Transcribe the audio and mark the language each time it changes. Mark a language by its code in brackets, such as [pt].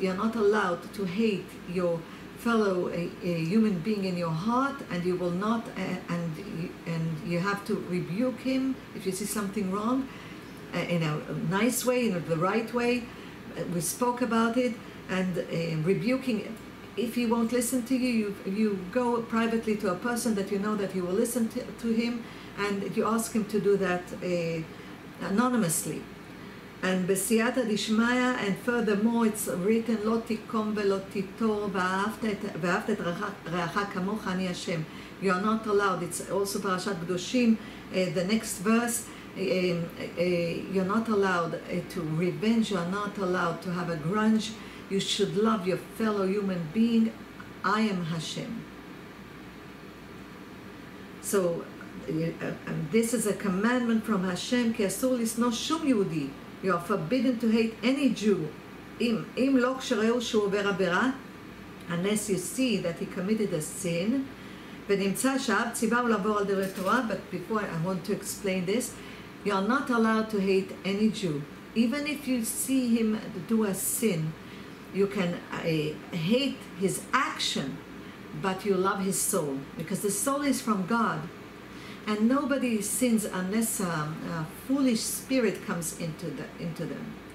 [en] You are not allowed to hate your fellow human being in your heart, and you will not, and you have to rebuke him if you see something wrong, in a nice way, in the right way. We spoke about it, and rebuking if he won't listen to you, you go privately to a person that you know that he will listen to him, and you ask him to do that anonymously. And [he] בסייעתא דשמיא, [en] and furthermore, it's written, [he] לא תיקום ולא תיטור, ואהבת את רעך כמוך, אני השם. [en] You are not allowed. It's also פרשת קדושים. The next verse, you're not allowed to revenge. You are not allowed to have a grudge. You should love your fellow human being. I am Hashem. So, this is a commandment from Hashem, [he] כי אסור לשנוא שום יהודי. [en] You are forbidden to hate any Jew. [he] אם לא כשראו שהוא עובר עבירה, [en] unless you see that he committed a sin, [he] ונמצא שאב ציבה הוא לעבור על דברי תורה, [en] but before I want to explain this, you are not allowed to hate any Jew. Even if you see him do a sin, you can hate his action, but you love his soul, because the soul is from God. And nobody sins unless a foolish spirit comes into them.